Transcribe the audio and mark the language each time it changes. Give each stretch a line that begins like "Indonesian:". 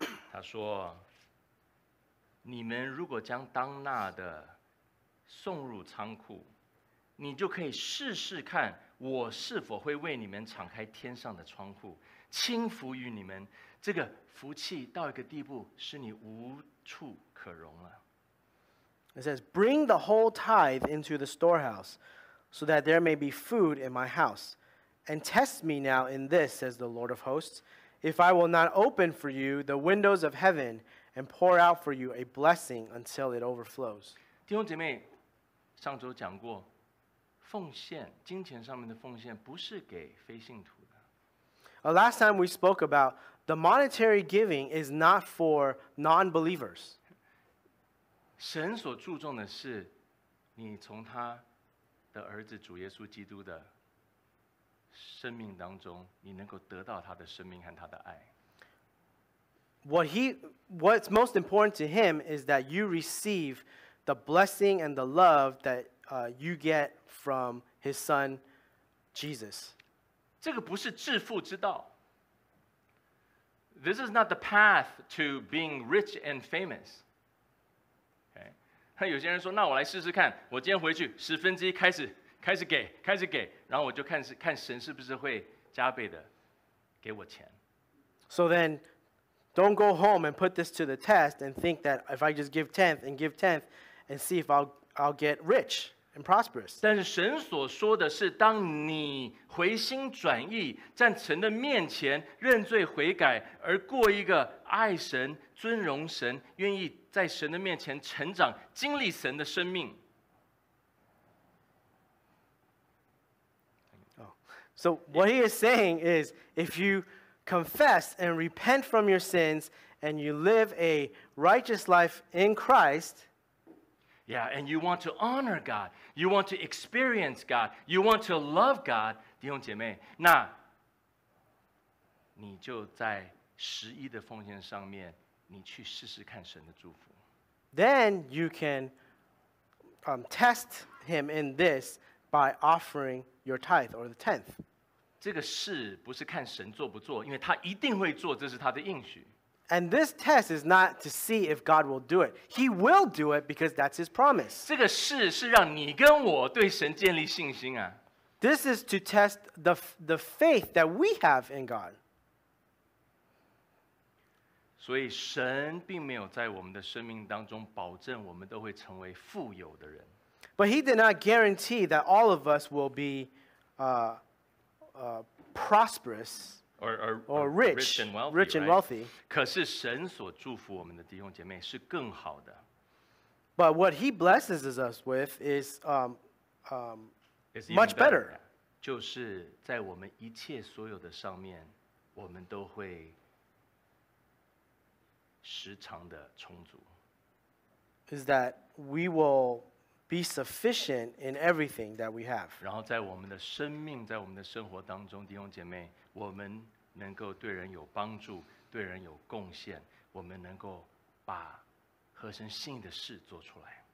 Chinese: 他说，你们如果将当纳的送入仓库，你就可以试试看我是否会为你们敞开天上的窗户，倾福于你们。这个福气到一个地步，使你无处可容了。
English: It says, "Bring the whole tithe into the storehouse, so that there may be food in my house. And test me now in this," says the Lord of hosts, "if I will not open for you the windows of heaven and pour out for you a blessing until it overflows."
Chinese: 弟兄姐妹，上周讲过。奉献，金钱上面的奉献不是给非信徒的。
English: Last time we spoke about the monetary giving is not for non-believers.
Chinese: 神所注重的是你从他的儿子主耶稣基督的生命当中，你能够得到他的生命和他的爱。
English: What's most important to him is that you receive the blessing and the love thatyou get from his son, Jesus.
Chinese: 这个不是致富之道。
English: This is not the path to being rich and famous. Okay.
Chinese: 有些人说，那我来试试看，我今天回去十分之一开始给，然后我就看神是不是会加倍的给我钱。
English: So then, don't go home and put this to the test and think that if I just give tenth and see if I'll get rich. And prosperous.
Chinese: 但是神所说的是，当你回心转意，在神的面前认罪悔改，而过一个爱神、尊荣神、愿意在神的面前成长、经历神的生命。
English: Oh. So what he is saying is, if you confess and repent from your sins, and you live a righteous life in Christ. Yeah, and you want to honor God. You want to experience God. You want to love God.
Chinese: 弟兄姐妹，那你就在十一的奉献上面，你去试试看神的祝福。
English: Then you can test him in this by offering your tithe or the tenth.
Chinese: 这个试不是看神做不做，因为他一定会做，这是他的应许。
English: And this test is not to see if God will do it. He will do it because that's his promise.
Chinese: 这个试是让你跟我对神建立信心啊。
English: This is to test the faith that we have in God.
Chinese: 所以神并没有在我们的生命当中保证我们都会成为富有的人。
English: But he did not guarantee that all of us will be prosperous or rich, rich and wealthy. Rich and wealthy. Right?
Chinese: 可是神所祝福我们的弟兄姐妹是更好的。
English: But what he blesses us with is much better. Yeah.
Chinese: 就是在我们一切所有的上面，我们都会时常的充足。
English: Is that we will be sufficient in everything that we have.
Chinese: 然后在我们的生命，在我们的生活当中，弟兄姐妹，我们能够对人有帮助，对人有贡献，我们能够把合神心意的事做出来。